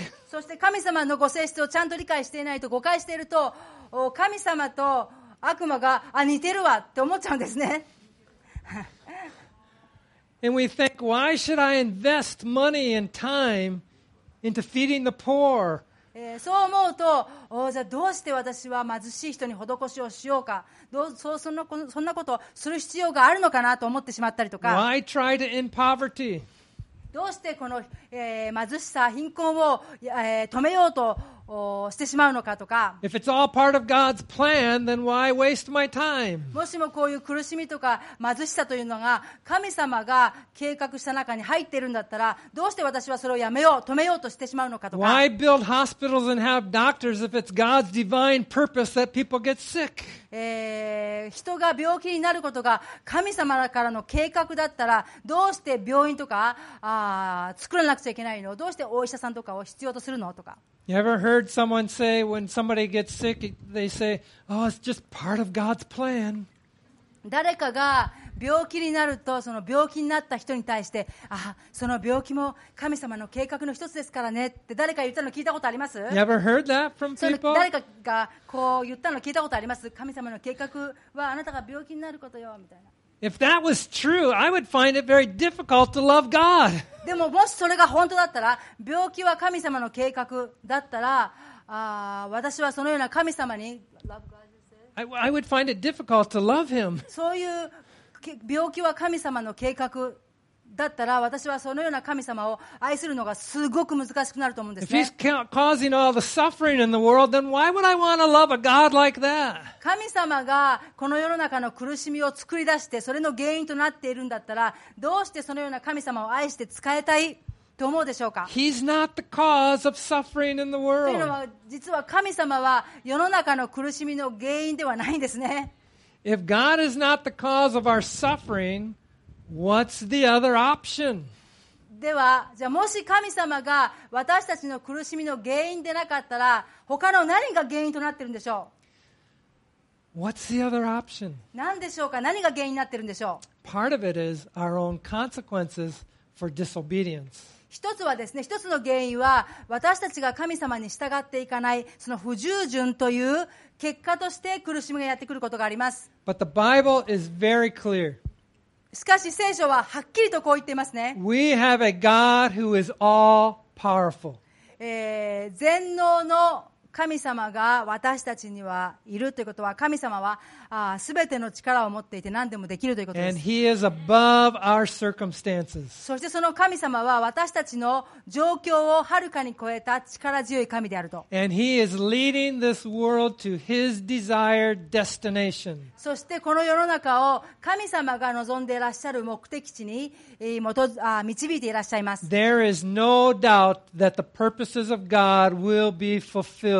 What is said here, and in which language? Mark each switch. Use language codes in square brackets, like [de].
[ja] そして神様のご性質をちゃんと理解していないと、誤解していると、神様と悪魔が似てるわって思っちゃうんですね。 [en] And we think, why should I invest money and time into feeding the poor? [ja] そう思うと、じゃあどうして私は貧しい人に施しをしようか、どうそう、そんなことをする必要があるのかなと思ってしまったりとか、 [en] Why try to end poverty? [ja] どうしてこの、貧しさ、貧困を、止めようとしてしまうのかとか、 [en] If it's all part of God's plan, then why waste my time? [ja] もしもこういう苦しみとか貧しさというのが神様が計画した中に入っているんだったら、どうして私はそれをやめよう、止めようとしてしまうのかとか、 [en] Why build hospitals and have doctors if it's God's divine purpose that people get sick? [ja] 人が病気になることが神様からの計画だったら、どうして病院とか作らなくちゃいけないの、どうしてお医者さんとかを必要とするのとか。 [en] You ever heard someone say when somebody gets sick, they say, "Oh, it's just part of God's plan." [ja] 誰かが病気になると、その病気になった人に対して、あ、その病気も神様の計画の一つですからねって誰か言ったの聞いたことあります？ [en] You ever heard that from people? [ja] 誰かがこう言ったの聞いたことあります？神様の計画はあなたが病気になることよみたいな。 [en] If that was true, I would find it very difficult to love God. [ja] でも、もしそれが本当だったら、病気は神様の計画だったら、私はそのような神様に、 [en] I would find it difficult to love Him. [ja] そういう病気は神様の計画だったら、私はそのような神様を愛するのがすごく難しくなると思うんですね。 [en] If He's causing all the suffering in the world, then why would I want to love a God like that? [ja] 神様がこの世の中の苦しみを作り出して、それの原因となっているんだったら、どうしてそのような神様を愛して仕えたいと思うでしょうか。 [en] He's not the cause of suffering in the world. [ja] というのは、実は神様は世の中の苦しみの原因ではないんですね。 [en] If God is not the cause of our suffering,What's the other option? [ja] では、じゃあもし神様が私たちの苦しみの原因でなかったら、他の何が原因となってるんでしょう？ [en] What's the other option? [ja] 何でしょうか？何が原因になってるんでしょう？ [en] Part of it is our own consequences for disobedience. [ja] 一つはですね、一つの原因は私たちが神様に従っていかない、その不従順という結果として苦しみがやってくることがあります。 [en] But the Bible is very clear. [ja] しかし聖書ははっきりとこう言っていますね。 [en] We have a God who is all powerful. [ja] 全能の神様が私たちにはいるということは、神様は全ての力を持っていて何でもできるということです。 [en] And he is above our circumstances. [ja] そしてその神様は私たちの状況をはるかに超えた力強い神であると。 [en] And he is leading this world to his desired destination. [ja] そしてこの世の中を神様が望んでいらっしゃる目的地に導いていらっしゃいます。 [en] There is no doubt that the purposes of God will be fulfilled.